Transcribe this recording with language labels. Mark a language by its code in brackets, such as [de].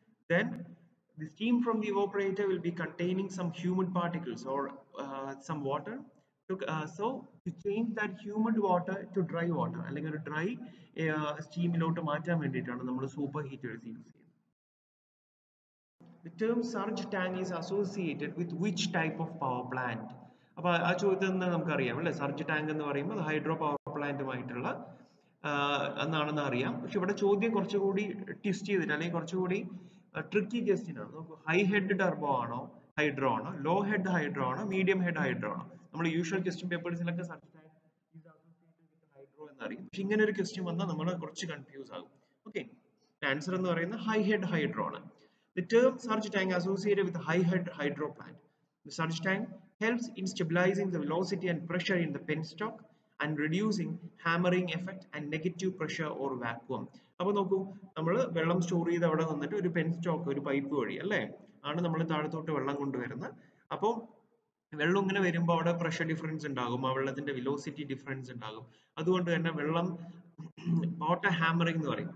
[en] then the steam from the evaporator will be containing some humid particles or some water to so to change that humid water to dry water, [ml] അല്ലെങ്കിൽ ഒരു dry സ്റ്റീമിലോട്ട് മാറ്റാൻ വേണ്ടിയിട്ടാണ് നമ്മൾ super heaters use ചെയ്യുന്നത്. [en] The term surge tank is associated with which type of power plant? [ml] അപ്പോൾ ആ ചോദ്യത്തിൽ നിന്ന് നമുക്കറിയാം അല്ലേ, സർജ് ടാങ്ക് എന്ന് പറയുമ്പോൾ ഹൈഡ്രോ പവർ പ്ലാന്റുമായിട്ടുള്ള എന്നാണെന്ന് അറിയാം. പക്ഷെ ഇവിടെ ചോദ്യം കുറച്ചുകൂടി ട്വിസ്റ്റ് ചെയ്തിട്ട് അല്ലെങ്കിൽ കുറച്ചുകൂടി ട്രിക്കി ക്വസ്റ്റ്യൻ ആണ്. നോക്കൂ, ഹൈ ഹെഡ് ടർബോ ആണോ ഹൈഡ്രോ ആണോ, ലോ ഹെഡ് ഹൈഡ്രോ ആണോ, മീഡിയം ഹെഡ് ഹൈഡ്രോ ആണോ? നമ്മൾ usual question പേപ്പേഴ്സിലൊക്കെ surge tank hydro എന്നറിയാം. പക്ഷെ ഇങ്ങനെ ഒരു ക്വസ്റ്റ്യൻ വന്നാൽ നമ്മൾ കുറച്ച് കൺഫ്യൂസ് ആകും. ഓക്കെ, ആൻസർ എന്ന് പറയുന്നത് ഹൈ ഹെഡ് ഹൈഡ്രോ ആണ്. [en] The term surge tank associated with high head hydro plant. The surge tank helps in stabilizing the velocity and pressure in the penstock and reducing hammering effect and negative pressure or vacuum. [ml] അപ്പോൾ നോക്കൂ, നമ്മൾ വെള്ളം store ചെയ്ത് അവിടെ നിന്നിട്ട് ഒരു penstock ഒരു pipe വഴി അല്ലേ ആണ് നമ്മൾ താഴത്തോട്ട് വെള്ളം കൊണ്ടുവരുന്നത്. അപ്പോൾ വെള്ളം ഇങ്ങനെ വരുമ്പോൾ അവിടെ പ്രഷർ ഡിഫറൻസ് ഉണ്ടാകും, ആ വെള്ളത്തിൻ്റെ വെലോസിറ്റി ഡിഫറൻസ് ഉണ്ടാകും. അതുകൊണ്ട് തന്നെ വെള്ളം വാട്ടർ ഹാമറിംഗ് എന്ന് പറയും.